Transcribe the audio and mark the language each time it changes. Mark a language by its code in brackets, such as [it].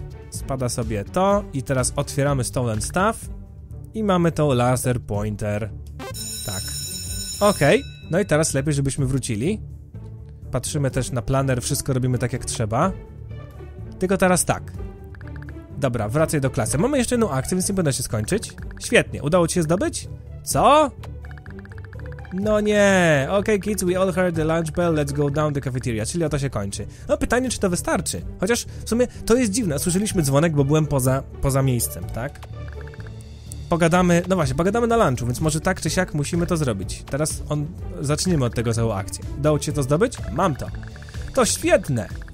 [pl] Spada sobie to i teraz otwieramy stolen staff. I mamy to laser pointer. Tak. Okej. Okay. No i teraz lepiej, żebyśmy wrócili. Patrzymy też na planer, wszystko robimy tak, jak trzeba. Tylko teraz tak. Dobra, wracaj do klasy. Mamy jeszcze jedną akcję, więc nie powinna się skończyć. Świetnie, udało ci się zdobyć? Co? No nie. [en] Okej, kids, we all heard the lunch bell, let's go down the cafeteria. [pl] Czyli oto się kończy. No pytanie, czy to wystarczy. Chociaż w sumie to jest dziwne, słyszeliśmy dzwonek, bo byłem poza miejscem, tak? Pogadamy, no właśnie, pogadamy na lunchu, więc może tak czy siak musimy to zrobić. Teraz zaczniemy od tego całą akcję. Dało ci się to zdobyć? Mam to. To świetne!